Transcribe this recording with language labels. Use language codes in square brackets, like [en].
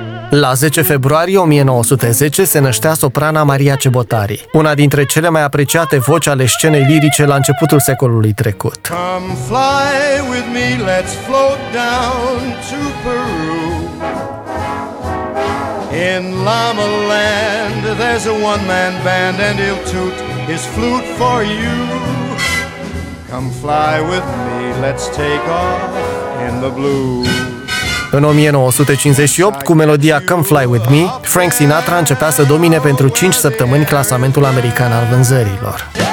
[ro] La 10 februarie 1910 se năștea soprana Maria Cebotari, una dintre cele mai apreciate voci ale scenei lirice la începutul secolului trecut. [en] Come fly with me, let's float down to Peru. In Llama Land, there's a one-man band and he'll toot his flute for you. Come fly with me, let's take off in the blue. [ro] În 1958, cu melodia Come Fly With Me, Frank Sinatra începea să domine pentru 5 săptămâni clasamentul american al vânzărilor.